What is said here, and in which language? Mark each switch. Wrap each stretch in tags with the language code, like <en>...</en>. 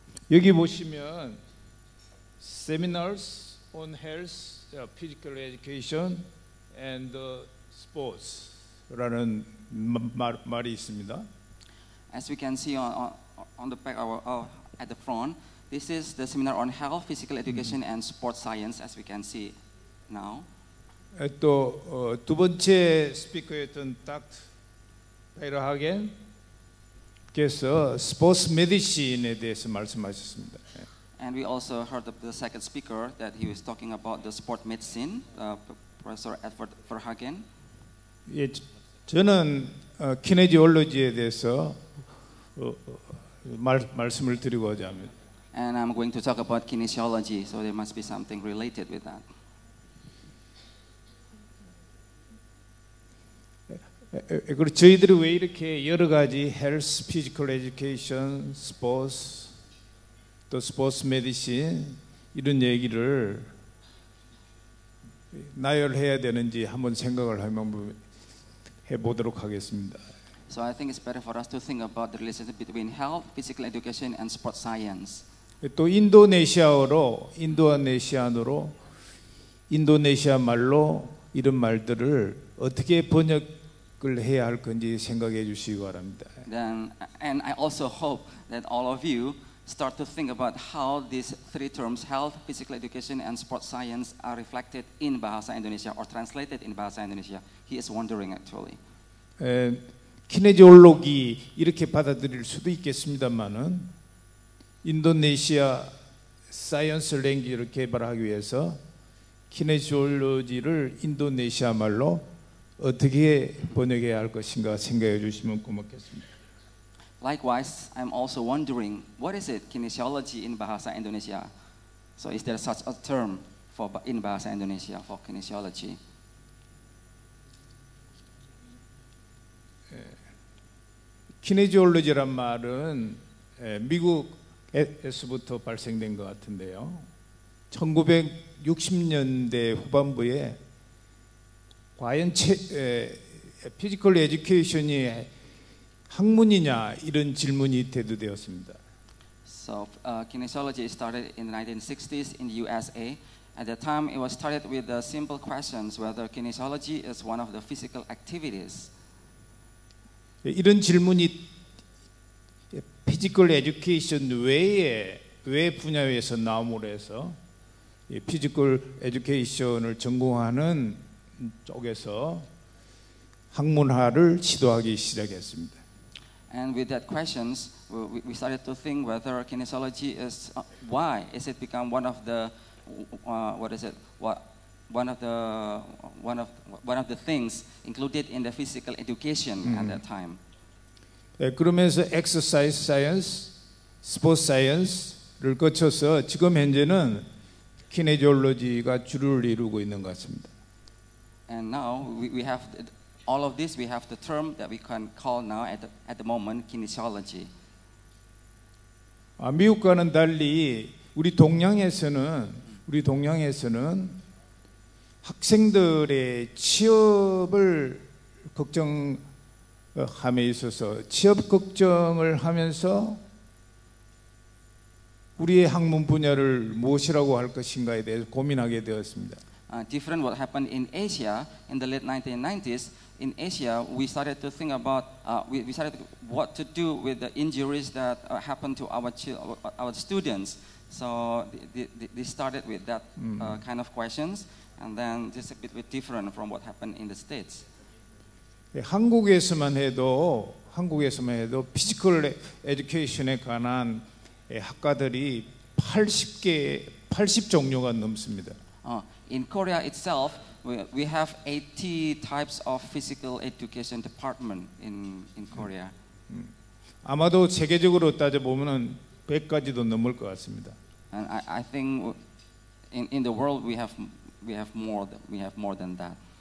<ko>여기 보시면</ko> <en>seminars on health, physical education, and sports라는</en> <ko>말이 있습니다.</ko> <en>As we can see on the back or at the front. This is the seminar on health, physical education, and sports science, as we can see now.</en> <ko>또 두 번째 스피커였던 닥터 베르하겐께서 스포츠 메디신에 대해서 말씀하셨습니다.</ko> <en>And we also heard the second speaker that he was talking about the sport medicine, Professor Edward Verhagen.</en> <ko>예, 저는 키네지올로지에 대해서 말씀을 드리고자 합니다.</ko> <en>And I'm going to talk about kinesiology, so there must be something related with that.</en> <ko>그리고 저희들이 왜 이렇게 여러 가지</ko> <en>health, physical education, sports,</en> <ko>또 sports medicine 이런 얘기를 나열해야 되는지 한번 생각을 한번 해보도록 하겠습니다.</ko> <en>So I think it's better for us to think about the relationship between health, physical education, and sports science.</en> <ko>또 인도네시아어로 인도네시안으로 인도네시아 말로 이런 말들을 어떻게 번역을 해야 할 건지 생각해 주시기 바랍니다.</ko> <en>Then, and I also hope that all of you start to think about how these three terms, health, physical education, and sports science, are reflected in Bahasa Indonesia or translated in Bahasa Indonesia. He is wondering actually.</en> <ko>키네지올로기 이렇게 받아들일 수도 있겠습니다만은. 인도네시아 사이언스 랭귀지를 개발하기 위해서 키네시올로지를 인도네시아 말로 어떻게 번역해야 할 것인가 생각해 주시면 고맙겠습니다.</ko> <en>Likewise, I'm also wondering what is it kinesiology in Bahasa Indonesia. So is there such a term for in Bahasa Indonesia for kinesiology?</en> <ko>키네시올로지란 말은 미국 에서부터 발생된 것 같은데요. 1960년대 후반부에 과연 피지컬 에듀케이션이 학문이냐 이런 질문이 대두되었습니다.</ko> <en>So kinesiology started in the 1960s in the USA. At the time, it was started with the simple questions whether kinesiology is one of the physical activities.</en> <ko>이런 질문이 피지컬 에듀케이션 외에 외 분야에서 나옴으로 해서 피지컬 에듀케이션을 전공하는 쪽에서 학문화를 시도하기 시작했습니다.</ko> <en>And with that questions, we started to think whether kinesiology is why is it become one of the what is it what one of the one of one of the things included in the physical education at that time.</en> <ko>네, 그러면서 exercise science, sports science를 거쳐서 지금 현재는 kinesiology가 주를 이루고 있는 것 같습니다.</ko> <en>And now we have all of this. We have the term that we can call now at the moment kinesiology.</en> <ko>아, 미국과는 달리 우리 동양에서는 학생들의 취업을 걱정함에 있어서 취업 걱정을 하면서 우리의 학문 분야를 무엇이라고 할 것인가에 대해서 고민하게 되었습니다.</ko> <en>Different what happened in Asia in the late 1990s. In Asia, we started to think about we started what to do with the injuries that happened to our students. So they started with that kind of questions, and then just a bit different from what happened in the States.</en> <ko>예, 한국에서만 해도 physical education에 관한 예, 학과들이 80 종류가 넘습니다.</ko> <en>In Korea itself, we have 80 types of physical education department in Korea.</en> <ko>아마도 세계적으로 따져보면 100까지도 넘을 것 같습니다.</ko> <en>And I think in the world we have more than that.</en>